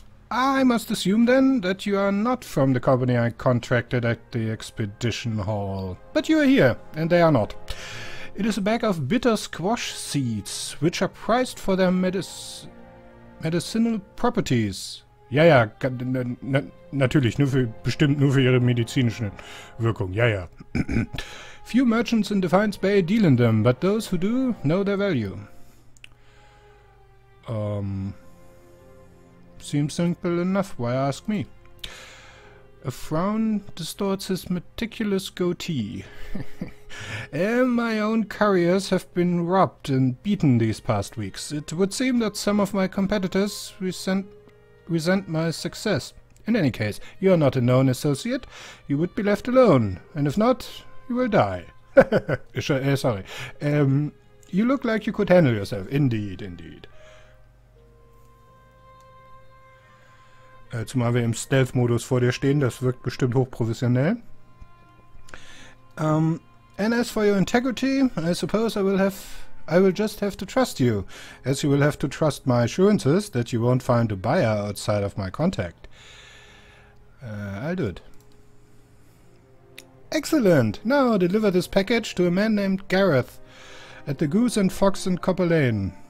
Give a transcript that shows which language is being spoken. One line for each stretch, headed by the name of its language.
English: I must assume, then, that you are not from the company I contracted at the Expedition Hall. But you are here, and they are not. It is a bag of bitter squash seeds, which are prized for their medicinal properties.
German: Ja, ja, natürlich, nur für ihre medizinischen Wirkung, ja, ja.
English: Few merchants in Defiance Bay deal in them, but those who do know their value. Seems simple enough, why ask me? A frown distorts his meticulous goatee. And my own couriers have been robbed and beaten these past weeks. It would seem that some of my competitors resent my success. In any case, you are not a known associate. You would be left alone. And if not, you will die. Sorry. You look like you could handle yourself. Indeed, indeed.
German: Zumal wir im Stealth-Modus vor dir stehen, das wirkt bestimmt hochprofessionell.
English: And as for your integrity, I suppose I will just have to trust you, as you will have to trust my assurances that you won't find a buyer outside of my contact. I'll do it. Excellent! Now deliver this package to a man named Gareth at the Goose and Fox and Copper Lane.